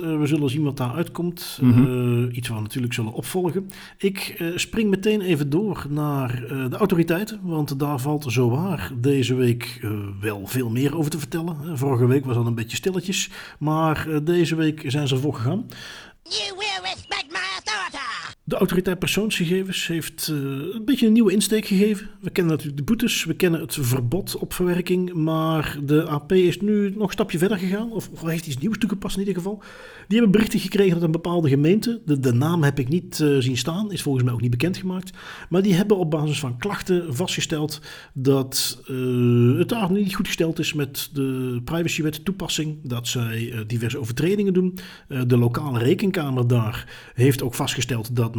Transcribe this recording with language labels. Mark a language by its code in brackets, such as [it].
[nl] We zullen zien wat daar uitkomt. Iets wat we natuurlijk zullen opvolgen. Ik spring meteen even door naar de autoriteiten, want daar valt zowaar deze week wel veel meer over te vertellen. Vorige week was al een beetje stilletjes, maar deze week zijn ze ervoor gegaan. [en] You will respect my authority. [nl] De autoriteit persoonsgegevens heeft een beetje een nieuwe insteek gegeven. We kennen natuurlijk de boetes, we kennen het verbod op verwerking, maar de AP is nu nog een stapje verder gegaan, of heeft iets nieuws toegepast in ieder geval. Die hebben berichten gekregen uit een bepaalde gemeente, de naam heb ik niet zien staan, is volgens mij ook niet bekendgemaakt, maar die hebben op basis van klachten vastgesteld dat het daar niet goed gesteld is met de privacywet toepassing, dat zij diverse overtredingen doen. De lokale rekenkamer daar heeft ook vastgesteld dat